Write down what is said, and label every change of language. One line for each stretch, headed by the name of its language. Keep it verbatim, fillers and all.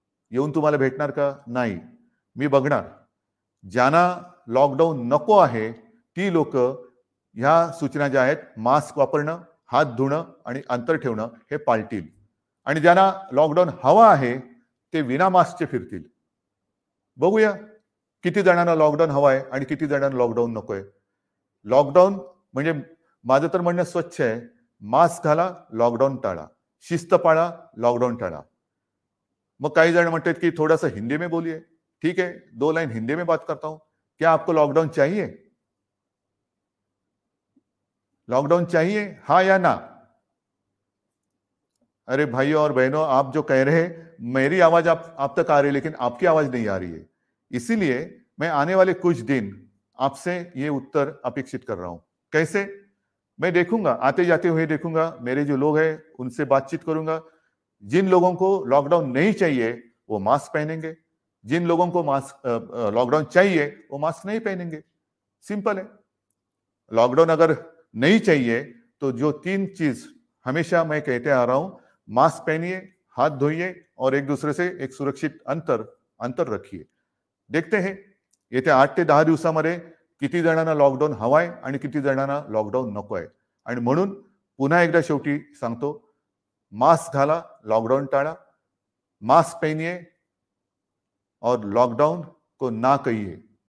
Marathi: येऊन तुम्हाला भेटणार का? नाही, मी बघणार. ज्यांना लॉकडाऊन नको आहे ती लोक ह्या सूचना ज्या आहेत मास्क वापरणं, हात धुणं आणि अंतर ठेवणं हे पाळतील, आणि ज्यांना लॉकडाऊन हवा आहे ते विना मास्कचे फिरतील. बघूया किती जणांना लॉकडाऊन हवा आहे आणि किती जणांना लॉकडाऊन नको आहे. लॉकडाऊन म्हणजे माझं तर म्हणणं स्वच्छ आहे, मास्क घाला, लॉकडाऊन टाळा, शिस्त पाळा, लॉकडाऊन टाळा. मग काही जण म्हणतात की थोडासा
Hindi: हिंदी में बोलिए, ठीक है, दो लाइन हिंदी में बात करता हूं. क्या आपको लॉकडाउन चाहिए? लॉकडाउन चाहिए हाँ या ना? अरे भाइयों और बहनों, आप जो कह रहे हैं मेरी आवाज आप, आप तक आ रही है, लेकिन आपकी आवाज नहीं आ रही है. इसीलिए मैं आने वाले कुछ दिन आपसे ये उत्तर अपेक्षित कर रहा हूं. कैसे? मैं देखूंगा, आते जाते हुए देखूंगा, मेरे जो लोग हैं उनसे बातचीत करूंगा. जिन लोगों को लॉकडाउन नहीं चाहिए वो मास्क पहनेंगे, जिन लोगों को मास्क लॉकडाउन चाहिए वो मास्क नहीं पहनेंगे. सिंपल है. लॉकडाउन अगर नहीं चाहिए तो जो तीन चीज हमेशा मैं कहते आ रहा हूं, मास्क पहनिए, हाथ धोइए और एक दूसरे से एक सुरक्षित अंतर अंतर रखिए. देखते हैं
Marathi: येत्या आठ ते दहा दिवसामध्ये किती जणांना लॉकडाऊन हवाय आणि किती जणांना लॉकडाऊन नको आहे. आणि म्हणून पुन्हा एकदा शेवटी सांगतो, मास्क घाला, लॉकडाऊन टाळा,
Hindi: मास्क पहनिए और लॉकडाउन को ना कहिए.